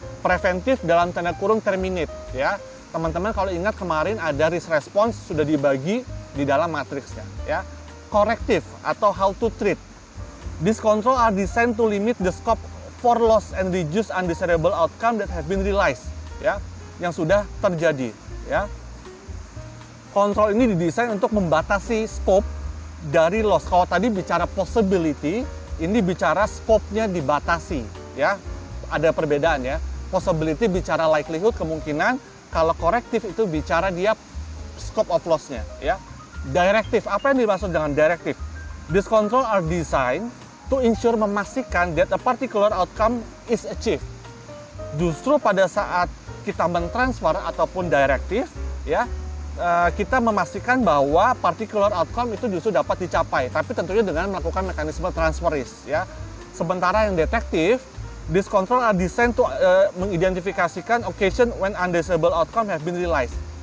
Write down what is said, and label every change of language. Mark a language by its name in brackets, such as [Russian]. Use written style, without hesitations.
[Indonesian] Preventif dalam tanda kurung terminate, ya. Teman-teman kalau ingat kemarin ada risk response sudah dibagi di dalam matriksnya, ya. [English] Corrective [Indonesian] atau [English] how to treat. These control are designed to limit the scope for loss and reduce undesirable outcome that have been realized, [Indonesian] ya, yang sudah terjadi, ya. Control ini didesain untuk membatasi scope dari loss. Kalau tadi bicara possibility, ini bicara scope-nya dibatasi, ya. Ada perbedaan, ya. Possibility bicara likelihood, kemungkinan. Kalau corrective itu bicara dia scope of loss-nya, ya. Directive, apa yang dimaksud dengan directive? [English] These control are designed to ensure [Indonesian] memastikan [English] that a particular outcome is achieved. [Indonesian] Justru pada saat kita mentransfer ataupun directive, ya, kita memastikan bahwa [English] particular outcome [Indonesian] itu justru dapat dicapai, tapi tentunya dengan melakukan mekanisme transfer risk, ya. Sementara yang [English] detective, these control are designed to [Indonesian] mengidentifikasikan [English] occasion when undesirable outcome have been realized.